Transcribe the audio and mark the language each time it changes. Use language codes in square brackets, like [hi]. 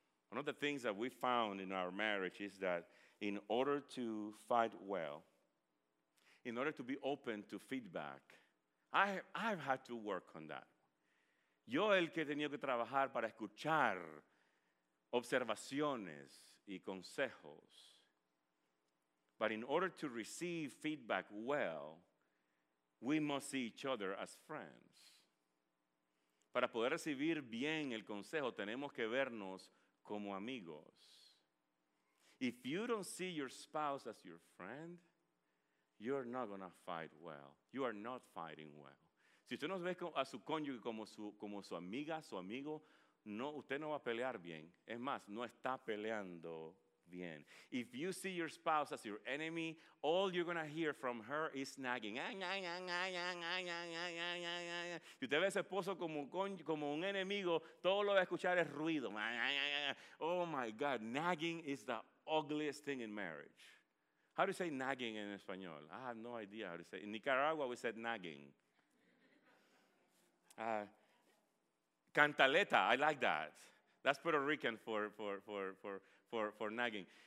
[en] One of the things that we found in our marriage is that in order to fight well, in order to be open to feedback, I've had to work on that. [es] Yo el que he tenido que trabajar para escuchar observaciones y consejos. [en] But in order to receive feedback well, we must see each other as friends. [es] Para poder recibir bien el consejo, tenemos que vernos como amigos. [en] If you don't see your spouse as your friend, you're not going to fight well. You are not fighting well. [es] Si usted no ve a su cónyuge como su amiga, su amigo, no, usted no va a pelear bien. Es más, no está peleando bien. [en] If you see your spouse as your enemy, all you're going to hear from her is nagging. [es] Si usted ve a su esposo como un enemigo, todo lo va a escuchar es ruido. [en] Oh my God, nagging is the ugliest thing in marriage. How do you say nagging in español? I have no idea how to say it. In Nicaragua we said nagging. Cantaleta, I like that. That's Puerto Rican for nagging.